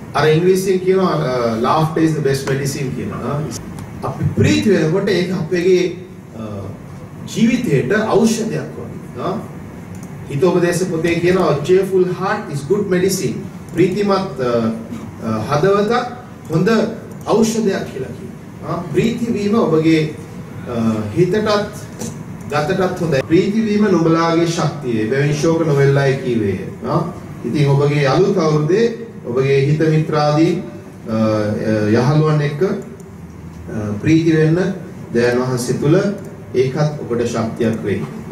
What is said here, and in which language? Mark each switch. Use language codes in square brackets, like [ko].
[si] අර ඉංග්‍රීසියෙන් කියනවා [en] laughter is the best medicine [si] කියනවා. අපි ප්‍රීති වෙනකොට ඒක අපේගේ ජීවිතයට ඖෂධයක් වගේ. හිතෝපදේශ පොතේ කියනවා [en] cheerful heart is good medicine. [si] ප්‍රීතිමත් හදවත හොඳ ඖෂධයක් කියලා කියනවා. ප්‍රීති වීම ඔබගේ හිතටත් ගතටත් හොඳයි. ප්‍රීති වීම නුඹලාගේ ශක්තිය. බෙවින් ශෝක නොවෙල්ලායි කියවේ. ඉතින් ඔබගේ අලුත් අවුරුද්දේ ඔබගේ හිත මිත්‍රාදී යහළුවන් එක්ක ප්‍රීති වෙන්න දයන් වහන්සේ තුල ඒකත් ඔබට ශක්තියක් වෙයි.